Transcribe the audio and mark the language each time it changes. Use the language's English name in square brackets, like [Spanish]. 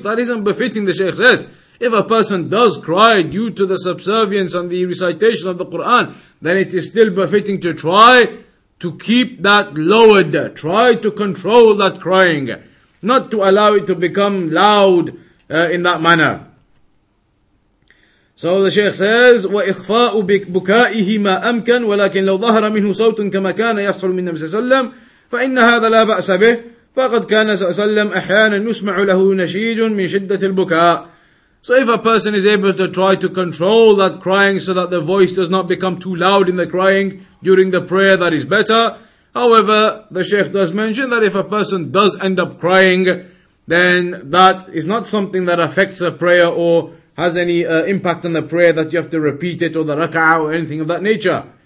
[English] That isn't befitting, the Shaykh says. If a person does cry due to the subservience and the recitation of the Qur'an, then it is still befitting to try to keep that lowered, try to control that crying, not to allow it to become loud in that manner. So the Shaykh says, [Arabic] وَإِخْفَاءُ بُكَائِهِ مَا أَمْكَنْ وَلَكِنْ لَوْ ظَهَرَ مِنْهُ صَوْتٌ كَمَا كَانَ يَحْصُلُ مِنْ نَبِيٍّ صَلَّى اللَّهُ عَلَيْهِ وَسَلَّمَ فإن هذا لا بأس به فقد كان سأسلم أحيانا يسمع له نشيد من شدة البكاء. [English] So if a person is able to try to control that crying so that the voice does not become too loud in the crying during the prayer, that is better. However, the Shaykh does mention that if a person does end up crying, then that is not something that affects the prayer or has any impact on the prayer that you have to repeat it or the rak'ah or anything of that nature.